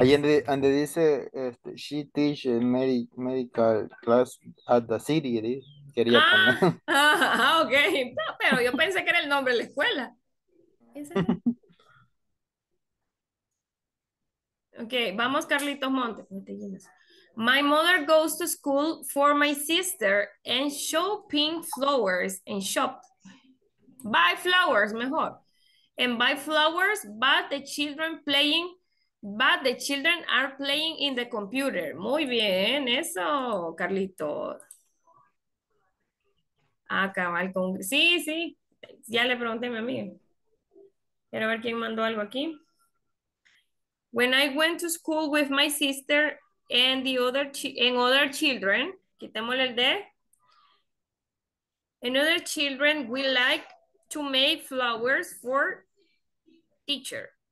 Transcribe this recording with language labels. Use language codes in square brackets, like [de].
[es] Ahí donde dice, [en] she teaches medical class at the city. [es] Quería poner. Ok. No, pero yo pensé que era el nombre de la escuela. Ok, vamos, Carlitos Montes. [en] My mother goes to school for my sister and show pink flowers and shop. Buy flowers, [es] mejor. [en] And buy flowers, but the children are playing in the computer. [es] Muy bien, eso, Carlitos. Acabar con... Sí, sí, ya le pregunté a mi amigo. Quiero ver quién mandó algo aquí. [en] When I went to school with my sister and the other children, [es] quitémosle el D. [en] And other children, we like to make flowers for teacher.